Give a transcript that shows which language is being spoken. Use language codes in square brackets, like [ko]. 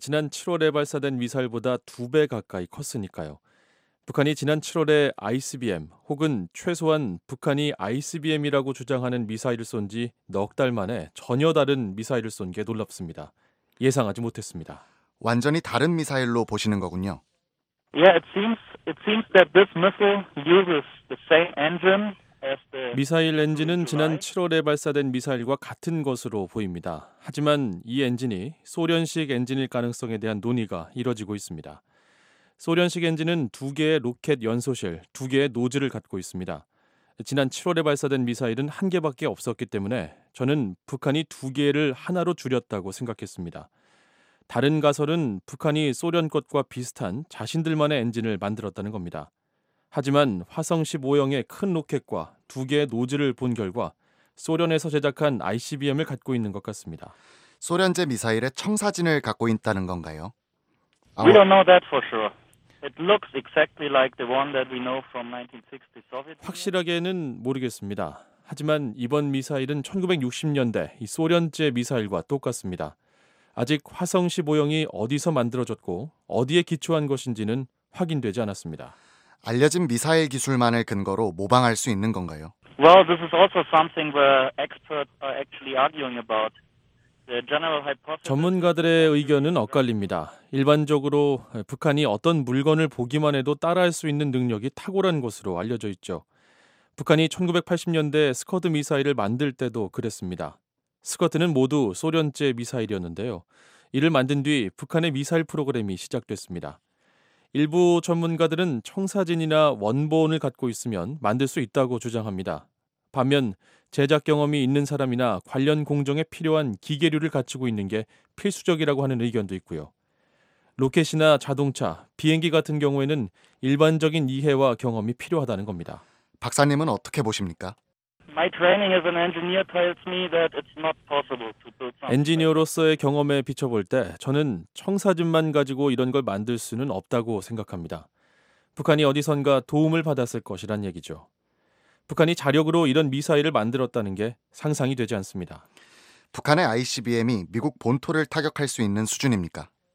[ko] 지난 7월에 발사된 미사일보다 두 배 가까이 컸으니까요. 북한이 지난 7월에 ICBM 혹은 최소한 북한이 ICBM이라고 주장하는 미사일을 쏜 지 넉 달 만에 전혀 다른 미사일을 쏜 게 놀랍습니다. 예상하지 못했습니다. 완전히 다른 미사일로 보시는 거군요. [en] Yeah, it seems that this missile uses the same engine as the [ko] 미사일 엔진은 지난 7월에 발사된 미사일과 같은 것으로 보입니다. 하지만 이 엔진이 소련식 엔진일 가능성에 대한 논의가 이뤄지고 있습니다. 소련식 엔진은 두 개의 로켓 연소실, 두 개의 노즐을 갖고 있습니다. 지난 7월에 발사된 미사일은 한 개밖에 없었기 때문에 저는 북한이 두 개를 하나로 줄였다고 생각했습니다. 다른 가설은 북한이 소련 것과 비슷한 자신들만의 엔진을 만들었다는 겁니다. 하지만 화성 15형의 큰 로켓과 두 개의 노즐을 본 결과 소련에서 제작한 ICBM을 갖고 있는 것 같습니다. 소련제 미사일의 청사진을 갖고 있다는 건가요? [en] We don't know that for sure. It looks exactly like the one that we know from 1960 Soviet. [ko] 확실하게는 모르겠습니다. 하지만 이번 미사일은 1960년대 이 소련제 미사일과 똑같습니다. 아직 화성 15형이 어디서 만들어졌고 어디에 기초한 것인지는 확인되지 않았습니다. 알려진 미사일 기술만을 근거로 모방할 수 있는 건가요? [en] Well, this is also something where experts are actually arguing about. [ko] 전문가들의 의견은 엇갈립니다. 일반적으로 북한이 어떤 물건을 보기만 해도 따라할 수 있는 능력이 탁월한 것으로 알려져 있죠. 북한이 1980년대 스커드 미사일을 만들 때도 그랬습니다. 스커드는 모두 소련제 미사일이었는데요. 이를 만든 뒤 북한의 미사일 프로그램이 시작됐습니다. 일부 전문가들은 청사진이나 원본을 갖고 있으면 만들 수 있다고 주장합니다. 반면 제작 경험이 있는 사람이나 관련 공정에 필요한 기계류를 갖추고 있는 게 필수적이라고 하는 의견도 있고요. 로켓이나 자동차, 비행기 같은 경우에는 일반적인 이해와 경험이 필요하다는 겁니다. 박사님은 어떻게 보십니까? [en] My training as an engineer tells me that it's not possible to build something. [ko] 엔지니어로서의 경험에 비춰볼 때 저는 청사진만 가지고 이런 걸 만들 수는 없다고 생각합니다. 북한이 어디선가 도움을 받았을 것이란 얘기죠. 북한이 자력으로 이런 미사일을 만들었다는 게 상상이 되지 않습니다. 북한의 ICBM이 미국 본토를 타격할 수 있는 수준입니까?